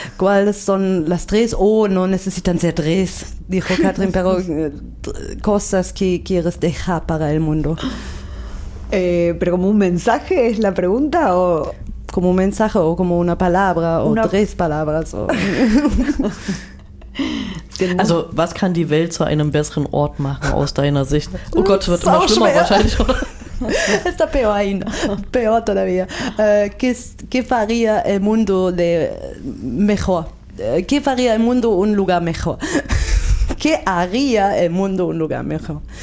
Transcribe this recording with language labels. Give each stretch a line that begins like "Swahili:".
Spanish: ¿Cuáles son las tres? O no necesitan ser tres, dijo Katrin, pero cosas que quieres dejar para el mundo. ¿Pero como un mensaje es la pregunta? O como un mensaje, o como una palabra, o una... tres palabras. O...
German: Also, was kann die Welt zu einem besseren Ort machen, aus deiner Sicht? Oh Gott, es wird immer schlimmer schwer. Wahrscheinlich, oder?
Spanish: Está peor aún. Peor todavía. ¿Qué faría el mundo de mejor? ¿Qué faría el mundo un lugar mejor? ¿Qué haría el mundo un lugar mejor?